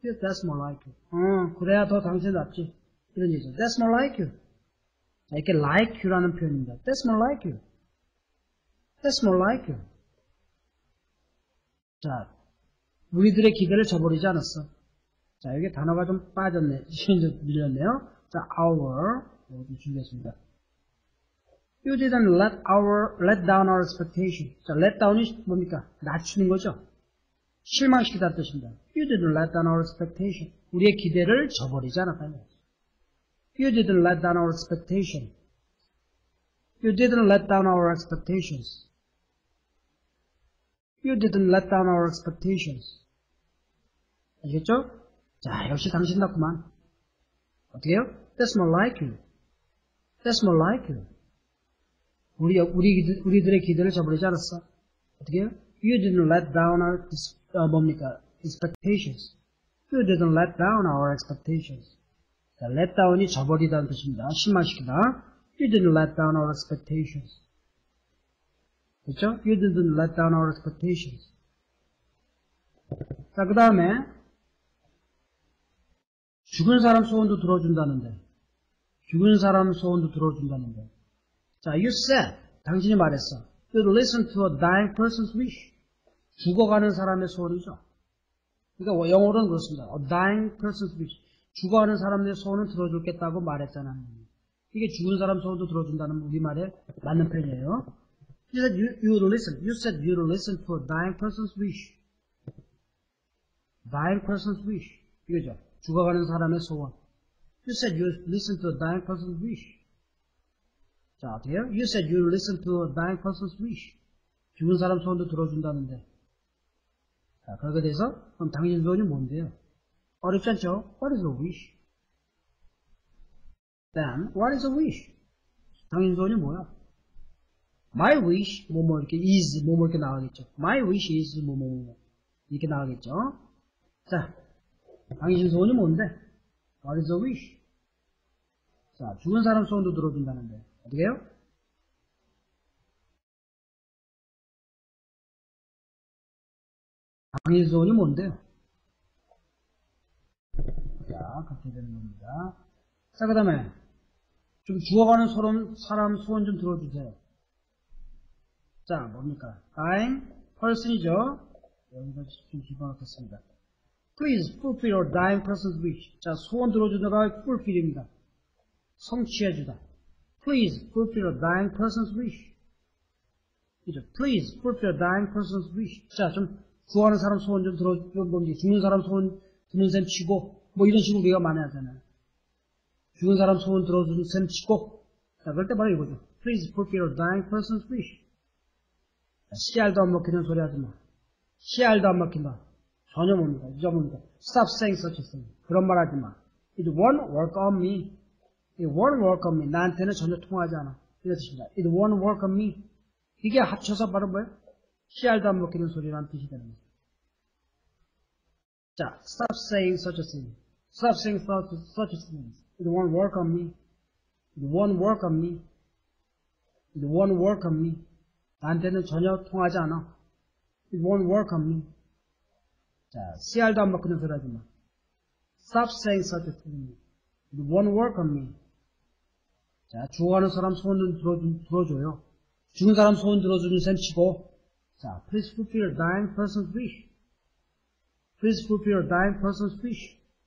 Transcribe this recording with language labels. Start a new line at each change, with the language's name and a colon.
English: That's more like you.
Korean: 그래야 더 당신답지. 이런 얘기죠.
English: That's more like you.
Korean: 자, 이렇게 like you라는 표현입니다.
English: That's more like you. That's more like you.
Korean: 자, 우리들의 기대를 저버리지 않았어. 자, 여기 단어가 좀 빠졌네. 지금 밀렸네요. 자, our. 여기 준비했습니다.
English: You didn't let our, let down our expectation.
Korean: 자, let down이 뭡니까? 낮추는 거죠? 실망시키다는 뜻입니다.
English: You didn't let down our expectation.
Korean: 우리의 기대를 저버리지 않았다.
English: You didn't let down our expectation. You didn't let down our expectations. You didn't let down our expectations.
Korean: 아시겠죠? 자, 역시 당신답구만. 어때요?
English: That's more like you. That's more like you.
Korean: 우리들의 기대를 저버리지 않았어. 어때요?
English: You didn't let down our,
Korean: 뭡니까?
English: Expectations. You didn't let down our expectations.
Korean: let down이 저버리다는 뜻입니다. 실망시키다.
English: You didn't let down our expectations.
Korean: 그렇죠?
English: You didn't let down our expectations.
Korean: 자, 그 다음에 죽은 사람 소원도 들어준다는데, 죽은 사람 소원도 들어준다는데. 자,
English: you said,
Korean: 당신이 말했어.
English: You'd listen to a dying person's wish.
Korean: 죽어가는 사람의 소원이죠. 그러니까 영어로는 그렇습니다.
English: A dying person's wish.
Korean: 죽어가는 사람의 소원을 들어주겠다고 말했잖아요. 이게 죽은 사람 소원도 들어준다는 우리말에 맞는 표현이에요.
English: You said you'd listen. You said you'd listen to a dying person's wish. Dying person's wish.
Korean: 이거죠. 죽어가는 사람의 소원.
English: You said you'd listen to a dying person's wish.
Korean: 자, 어때요?
English: You said you'd listen to a dying person's wish.
Korean: 죽은 사람 소원도 들어준다는데. 자, 그렇게 돼서, 그럼 당신 소원이 뭔데요? 어렵지 않죠?
English: What is a wish? Then, what is a wish?
Korean: 당신 소원이 뭐야? My wish, 뭐뭐 이렇게, is, 뭐뭐 이렇게 나가겠죠.
English: My wish is,
Korean: 뭐뭐 이렇게 나가겠죠. 자, 당신 소원이 뭔데?
English: What is a wish?
Korean: 자, 죽은 사람 소원도 들어준다는데. 어떻게요? 당신 소원이 뭔데요? 자, 그렇게 되는 겁니다. 자, 그 다음에, 좀 죽어가는 사람 소원 좀 들어주세요. 자, 뭡니까? dying person이죠? 여기서 좀 집어넣겠습니다.
English: Please fulfill your dying person's wish.
Korean: 자, 소원 들어주는 거 fulfill입니다. 성취해주다.
English: Please fulfill your dying person's wish.
Korean: 그죠?
English: Please fulfill your dying person's wish.
Korean: 자, 좀, 구하는 사람 소원 좀 들어주면 뭔지, 죽는 사람 소원 듣는 셈 치고, 뭐 이런 식으로 우리가 말해야 되잖아요. 죽은 사람 소원 들어주는 셈 치고, 자, 그럴 때 바로 이거죠.
English: Please fulfill your dying person's wish.
Korean: 자, 씨알도 안 먹히는 소리 하지 마. 씨알도 안 먹힌다. 전혀 뭡니까? 잊어버린다.
English: Stop saying such a thing.
Korean: 그런 말 하지 마.
English: It won't work on me. It won't work on me.
Korean: 나한테는 전혀 통하지 않아. 이런 뜻입니다.
English: It won't work on me.
Korean: 이게 합쳐서 바로 뭐예요? 씨알도 안 먹히는 소리라는 뜻이 되는 거예요.
English: 자, stop saying such a thing. Stop saying such a thing. It won't work on me. It won't work on me. It won't work on me.
Korean: 나한테는 전혀 통하지 않아.
English: It won't work on me.
Korean: 자, 씨알도 안 먹히는 소리 하지 마.
English: Stop saying such a thing. It won't work on me.
Korean: 자, 죽어가는 사람 소원 들어줘요. 죽은 사람 소원 들어주는 셈 치고.
English: 자, please fulfill your dying person's wish. Please fulfill your dying person's wish.